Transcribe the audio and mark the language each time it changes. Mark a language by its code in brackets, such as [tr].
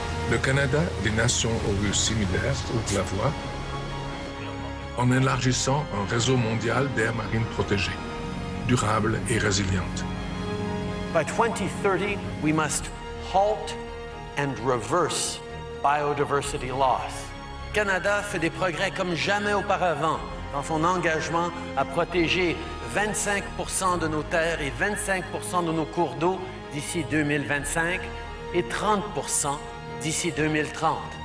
[fr] Le Canada, des nations aux vues similaires, ouvre la voie en élargissant un réseau mondial d'aires marines protégées, durables et résilientes. [en] By 2030, we must halt and reverse biodiversity loss. [fr] Canada fait des progrès comme jamais auparavant dans son engagement à protéger 25% de nos terres et 25% de nos cours d'eau d'ici 2025 et 30% d'ici 2030.